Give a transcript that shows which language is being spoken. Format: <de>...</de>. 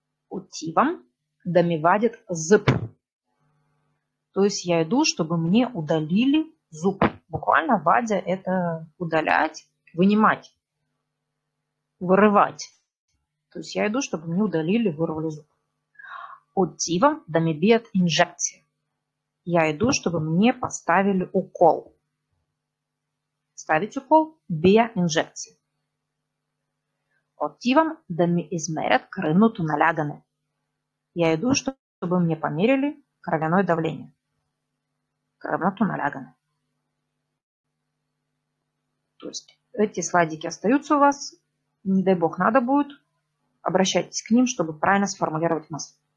<bg>Отивам да ми вадят зъб.</bg> <ru>То есть я иду, чтобы мне удалили зуб. Буквально вадя – это удалять, вынимать, вырывать. То есть я иду, чтобы мне удалили, вырвали зуб.</ru> <bg>Отивам да ми бият инжекция.</bg> <ru>Я иду, чтобы мне поставили укол. Ставить укол –</ru> <bg>бия инжекция. Отивам да ми измерят кръвното налягане.</bg> <ru>Я иду, чтобы мне померили кровяное давление.</ru> <bg>Кръвното налягане.</bg> <ru>То есть эти слайдики остаются у вас, не дай бог надо будет, обращайтесь к ним, чтобы правильно сформулировать мысль.</ru>